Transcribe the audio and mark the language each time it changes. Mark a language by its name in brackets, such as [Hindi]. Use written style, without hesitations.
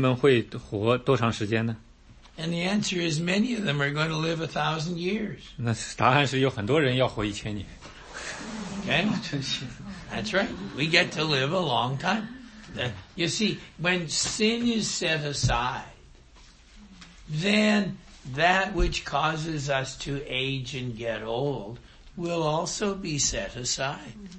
[Chinese] 那这个1,000年里面呢，人们会活多长时间呢？ [English] And the answer is many of them are going to live 1,000 years. [Chinese] 那答案是有很多人要活1,000年。 [English] Okay, that's right. We get to live a long time. You see, when sin is set aside, then that which causes us to age and get old will also be set aside.